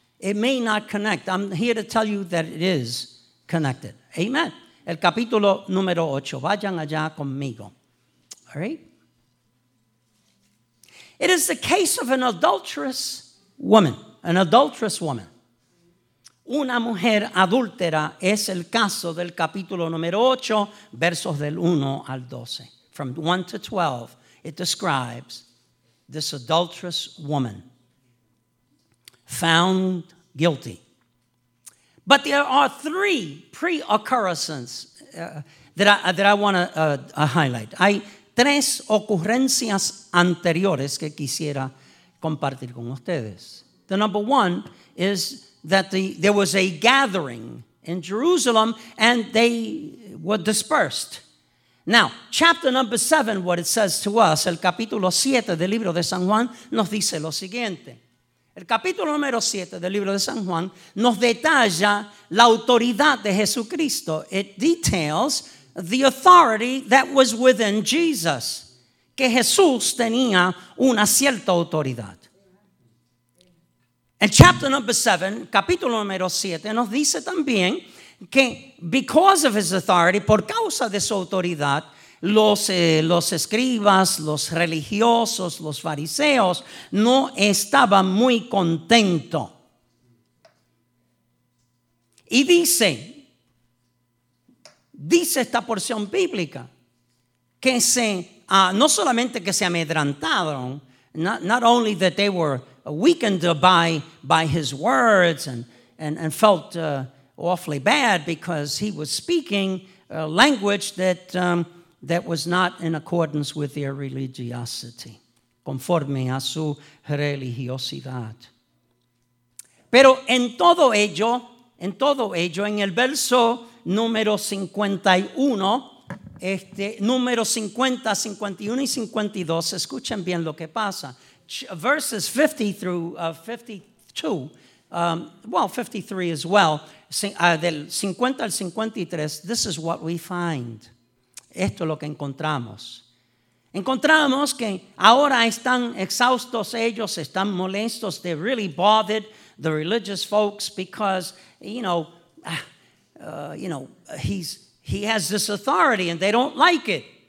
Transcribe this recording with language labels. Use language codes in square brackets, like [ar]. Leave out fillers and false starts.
[en] It may not connect. I'm here to tell you that it is connected. [es] Amen. El capítulo número 8. Vayan allá conmigo. [en] All right? It is the case of an adulterous woman. An adulterous woman. [es] Una mujer adúltera es el caso del capítulo número 8, versos del 1 al 12. [en] From 1 to 12, it describes this adulterous woman found guilty. But there are three pre-occurrences that I want to highlight. [es] Hay tres ocurrencias anteriores que quisiera compartir con ustedes. [en] The number one is that there was a gathering in Jerusalem and they were dispersed. Now, chapter number 7, what it says to us, [es] el capítulo 7 del libro de San Juan, nos dice lo siguiente. El capítulo número 7 del libro de San Juan nos detalla la autoridad de Jesucristo. [en] It details the authority that was within Jesus. [es] Que Jesús tenía una cierta autoridad. [en] And chapter number 7, [es] capítulo número 7, nos dice también que [en] because of his authority, [es] por causa de su autoridad, Los escribas, los religiosos, los fariseos no estaban muy contentos. Y dice esta porción bíblica que no solamente que se amedrantaron, [en] not only that they were weakened by his words and felt awfully bad because he was speaking a language that was not in accordance with their religiosity, [es] conforme a su religiosidad. Pero en todo ello, en el verso número 51, 51 y 52, escuchen bien lo que pasa. [en] Verses 50 through 52, 53 as well, [es] del 50 al 53, [en] this is what we find. [es] Esto es lo que encontramos. Encontramos que ahora están exhaustos ellos, están molestos. [en] They're really bothered, the religious folks, because, he has this authority and they don't like it.